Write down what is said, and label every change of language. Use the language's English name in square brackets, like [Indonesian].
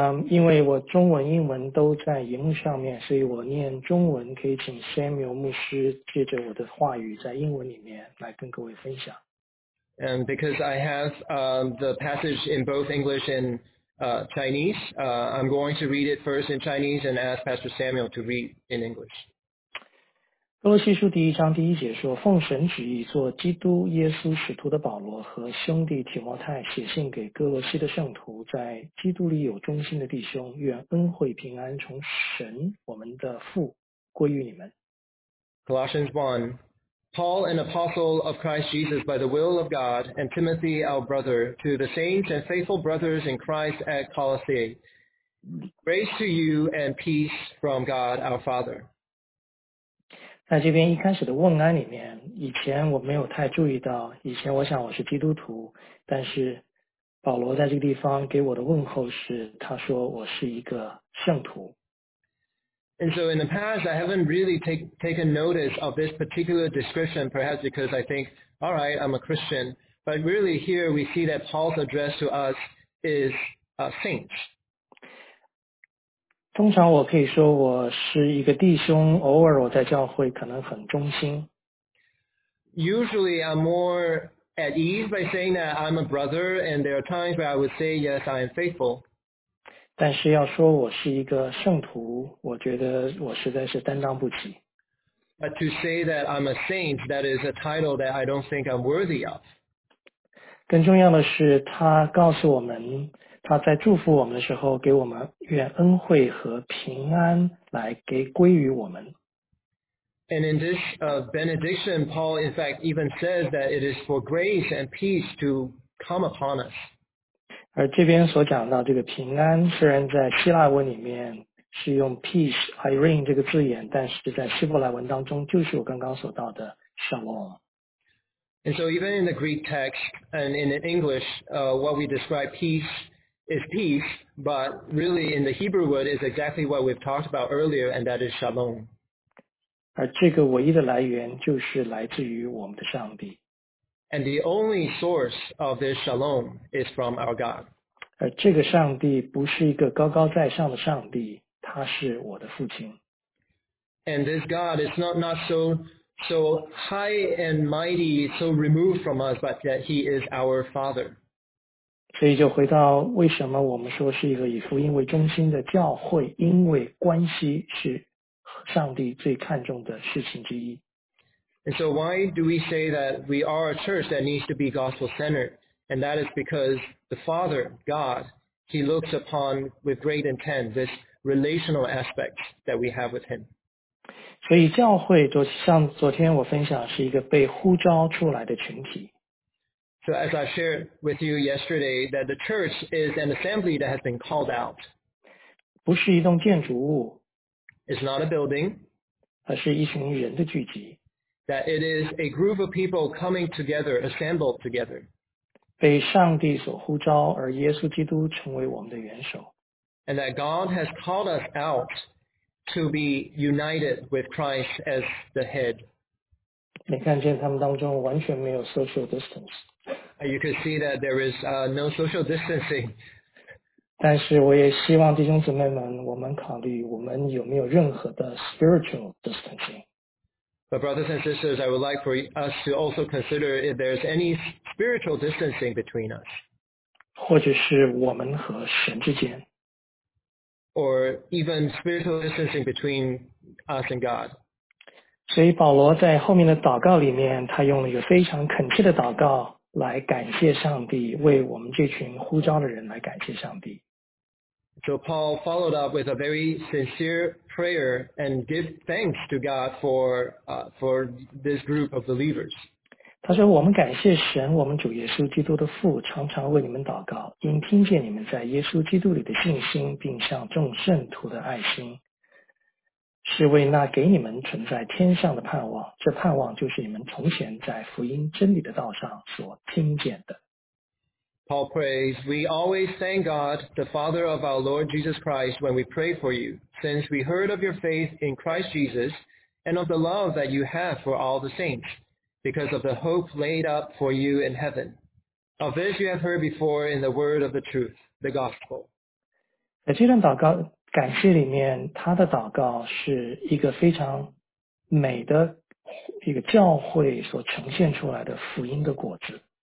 [Chinese] 因为我中文英文都在荧幕上面，所以我念中文，可以请 Samuel 牧师借着我的话语在英文里面来跟各位分享。 [English] And because I have the passage in both English and Chinese, I'm going to read it first in Chinese and ask Pastor Samuel to read in English. [Chinese] 哥罗西书第一章第一节说，奉神旨意做基督耶稣使徒的保罗和兄弟提摩太写信给哥罗西的圣徒，在基督里有忠心的弟兄，愿恩惠平安从神我们的父归于你们。 [English] Colossians 1 Paul, an apostle of Christ Jesus by the will of God, and Timothy, our brother, to the saints and faithful brothers in Christ at Colossae, grace to you and peace from God our Father. [Chinese] 在这边一开始的问安里面，以前我没有太注意到，以前我想我是基督徒，但是保罗在这个地方给我的问候是，他说我是一个圣徒。 [English] And so in the past, I haven't really taken notice of this particular description, perhaps because I think, all right, I'm a Christian. But really here we see that Paul's address to us is a saint. [Chinese] 通常我可以说我是一个弟兄，偶尔我在教会可能很忠心。 [English] Usually I'm more at ease by saying that I'm a brother, and there are times where I would say, yes, I am faithful. [Chinese] 但是要说我是一个圣徒，我觉得我实在是担当不起。 [English] But to say that I'm a saint, that is a title that I don't think I'm worthy of. [Chinese] 更重要的是他告诉我们，他在祝福我们的时候给我们愿恩惠和平安来给归于我们。 [English] And in this benediction, Paul in fact even says that it is for grace and peace to come upon us. [Chinese] 而这边所讲到这个平安，虽然在希腊文里面是用 peace, irene 这个字眼，但是在希伯来文当中就是我刚刚所到的 shalom。 [English] And so even in the Greek text and in English, what we describe peace,is peace, but really in the Hebrew word is exactly what we've talked about earlier, and that is shalom. [Chinese] 而这个唯一的来源就是来自于我们的上帝。 [English] And the only source of this shalom is from our God. [Chinese] 而这个上帝不是一个高高在上的上帝，他是我的父亲。 [English] And this God is not so high and mighty, so removed from us, but that he is our Father. [Chinese] 所以就回到为什么我们说是一个以福音为中心的教会，因为关系是上帝最看重的事情之一。 [English] And so why do we say that we are a church that needs to be gospel-centered? And that is because the Father, God, he looks upon with great intent this relational aspect that we have with him. [Chinese] 所以教会就像昨天我分享是一个被呼召出来的群体。 [English] So as I shared with you yesterday, that the church is an assembly that has been called out. [Chinese] 不是一栋建筑物。 [English] It's not a building. [Chinese] 而是一群人的聚集。 [English] That it is a group of people coming together, assembled together. [Chinese] 被上帝所呼召，而耶稣基督成为我们的元首。 [English] And that God has called us out to be united with Christ as the head. [Chinese] 你看见他们当中完全没有 social distance. [English] You can see that there is no social distancing. [Chinese] 但是我也希望弟兄姊妹们，我们考虑我们有没有任何的 spiritual distancing. [English] But brothers and sisters, I would like for us to also consider if there's any spiritual distancing between us. [Chinese] 或者是我们和神之间。 [English] Or even spiritual distancing between us and God. [Chinese] 所以保罗在后面的祷告里面，他用了一个非常恳切的祷告来感谢上帝，为我们这群呼召的人来感谢上帝。 [English] So Paul followed up with a very sincere prayer and give thanks to God for this group of believers. [Chinese] 他说我们感谢神，我们主耶稣基督的父，常常为你们祷告，因听见你们在耶稣基督里的信心，并向众圣徒的爱心，是为那给你们存在天上的盼望，这盼望就是你们从前在福音真理的道上所听见的。 [English] Paul prays, We always thank God, the Father of our Lord Jesus Christ, when we pray for you, since we heard of your faith in Christ Jesus and of the love that you have for all the saints, because of the hope laid up for you in heaven. Of this you have heard before in the word of the truth, the gospel. [Chinese] 在这段祷告感谢里面，他的祷告是一个非常美的一个教会所呈现出来的福音的果子。